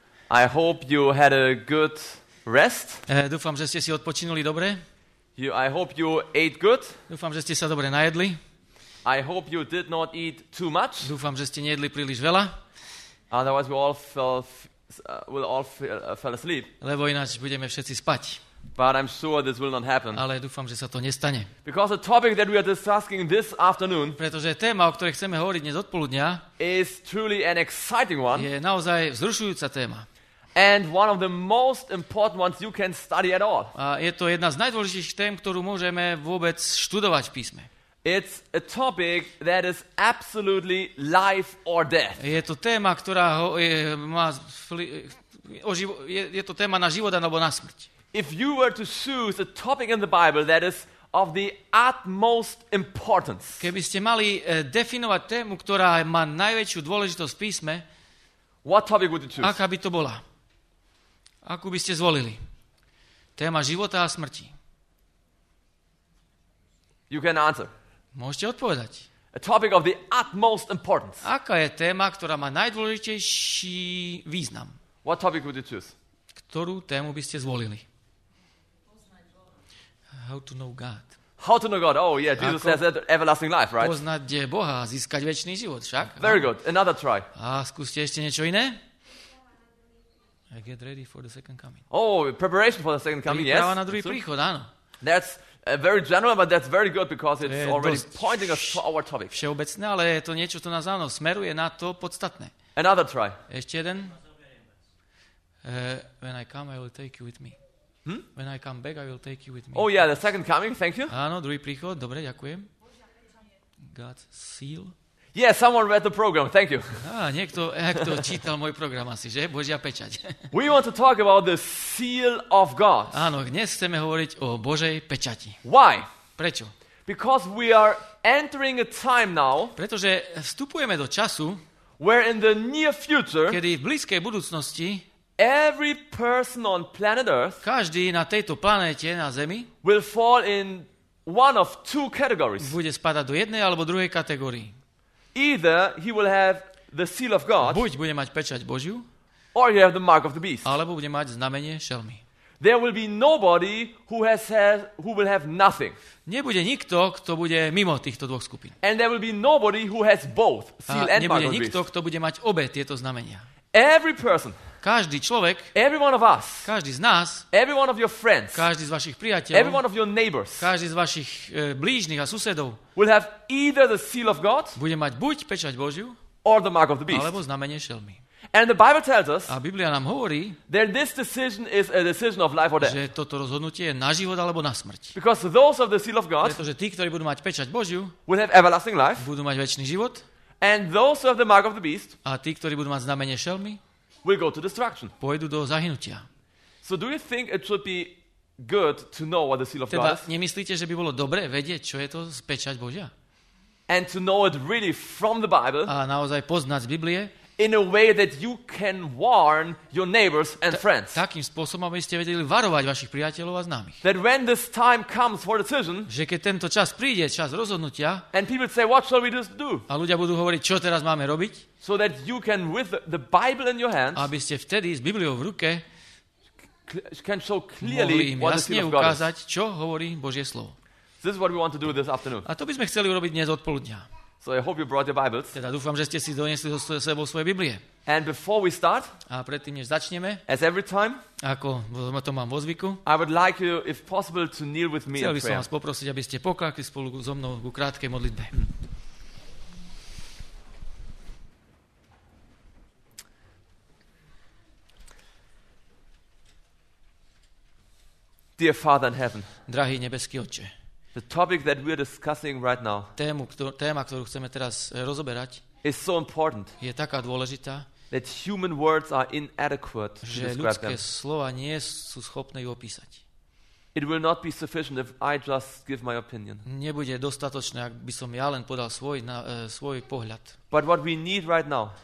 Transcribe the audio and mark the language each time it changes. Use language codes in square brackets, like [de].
[en] I hope you had a good rest. [cs] Doufám, že jste si odpočinuli dobře. [en] I hope you ate good. [cs] Doufám, že jste se dobře najedli. [en] I hope you did not eat too much. [cs] Doufám, že jste nejedli příliš veľa. [en] Otherwise we all fell asleep. [sk] Lebo jinak budeme všetci spať. [en] But I'm sure this will not happen. [sk] Ale dúfam, že sa to nestane. [en] Because the topic that we are discussing this afternoon, [sk] pretože téma, o ktorej chceme hovoriť dnes odpoludnia, [en] is truly an exciting one. [sk] Je naozaj vzrušujúca téma. [en] And one of the most important ones you can study at all. [sk] A je to jedna z najdôležitejších tém, ktorú môžeme vôbec študovať v písme. [en] It's a topic that is absolutely life or death. [sk] Je to téma, ktorá je to téma na život alebo na smrť. [en] If you were to choose a topic in the Bible that is of the utmost importance. [sk] Keby ste mali definovať tému, ktorá má najväčšiu dôležitosť v písme, [en] what topic would you choose? [sk] Aká by to bola? Akú by ste zvolili? Téma života a smrti. [en] You can answer. [sk] Môžete odpovedať. [en] A topic of the utmost importance. [sk] Aká je téma, ktorá má najdôležitejší význam? [en] What topic would you choose? [sk] Ktorú tému by ste zvolili? [en] How to know God. How to know God. Oh yeah, Jesus says that everlasting life, right? [sk] Poznať je Boha, získať večný život, však? [en] Very good. Another try. [sk] A skúste ešte niečo iné? [en] I get ready for the second coming. Oh, preparation for the second coming. [sk] Príprava, [en] yes. [sk] Na druhý príchod, áno. [en] That's very general, but that's very good because it's already pointing us to our topic. [sk] Všeobecné, ale je to niečo, čo nás áno smeruje na to podstatné. [en] Another try. [sk] Ešte jeden. [en] When I come, I will take you with me. Hmm? When I come back, I will take you with me. Oh yeah, the second coming, thank you. [sk] Áno, druhý príchod, dobre, ďakujem. [en] God's seal. Yeah, someone read the program, thank you. [sk] Niekto čítal môj program asi, že? Božia pečať. [en] We want to talk about the seal of God. [sk] Áno, dnes chceme hovoriť o Božej pečati. [en] Why? [sk] Prečo? [en] Because we are entering a time now, [sk] pretože vstupujeme do času, [en] where in the near future, [sk] kedy v blízkej budúcnosti, [en] every person on planet Earth, [sk] každý na tejto planéte na Zemi, [en] will fall in one of two categories. [sk] Bude spadať do jednej alebo druhej kategórii. [en] Either he will have the seal of God. [sk] Buď bude mať pečať Božiu, [en] or he have the mark of the beast. [sk] Alebo bude mať znamenie šelmy. [en] There will be nobody who will have nothing. [sk] Nebude nikto, kto bude mimo týchto dvoch skupín. [en] And there will be nobody who has both seal and mark of the beast. [sk] Nebude nikto, kto bude mať obe tieto znamenia. [en] Every person, [sk] každý človek, [en] every one of us, [sk] každý z nás, [en] every one of your friends, [sk] každý z vašich priateľov, [en] every one of your neighbors, [sk] každý z vašich blížnych a susedov, [en] will have either the seal of God, [sk] bude mať buď pečať Božiu, [en] or the mark of the beast, [sk] alebo znamenie šelmy. [en] And the Bible tells us, [sk] a Biblia nám hovorí, [en] that this decision is a decision of life or death, [sk] že toto rozhodnutie je na život alebo na smrť. [en] Because those of the seal of God, [sk] pretože tí, ktorí budú mať pečať Božiu, [en] will have everlasting life, [sk] budú mať večný život, [en] and those who have the mark of the beast, [sk] a tí, ktorí budú mať znamenie šelmy, [en] will go to destruction. [sk] Pôjdu do zahynutia. [en] So do you think it should be good to know what the seal of God is? [sk] Nemyslíte, že by bolo dobré vedieť, čo je to pečať Božia? [en] And to know it really from the Bible. [sk] A naozaj poznať z Biblie. [en] In a way that you can warn your neighbors and friends. [sk] Takým spôsobom, aby ste vedeli varovať vašich priateľov a známych. [en] That when this time comes for decision, [sk] že keď tento čas príde, čas rozhodnutia, [en] and people say, what shall we just do? [sk] A ľudia budú hovoriť, čo teraz máme robiť? [en] So that you can with the Bible in your hands, [sk] aby ste vtedy s Bibliou v ruke [en] can show clearly [sk] mohli im jasne ukázať, čo hovorí Božie slovo. [en] This is what we want to do this afternoon. [sk] A to by sme chceli urobiť dnes odpoludňa. [en] So I hope you brought your Bibles. [sk] Teda dúfam, že ste si donesli so sebou svoje Biblie. [en] And before we start, [sk] a predtým, než začneme, [en] as every time, [sk] ako to mám vo zvyku, [en] I would like you, if possible, to kneel with me in prayer. [sk] Chcel by som vás poprosiť, aby ste pokľakli spolu so mnou ku krátkej modlitbe. [en] Dear Father in heaven, [sk] drahý nebeský Otče, [en] the topic that we are discussing right now, [sk] téma, ktorú chceme teraz rozoberať, [en] is so important, [sk] je taká dôležitá, [en] that human words are inadequate to describe [sk] them. Že ľudské slova nie sú schopné ju opísať. [en] It will not be sufficient if I just give my opinion. [sk] Nebude dostatočné, ak by som ja len podal svoj pohľad. [en] But what we need right now,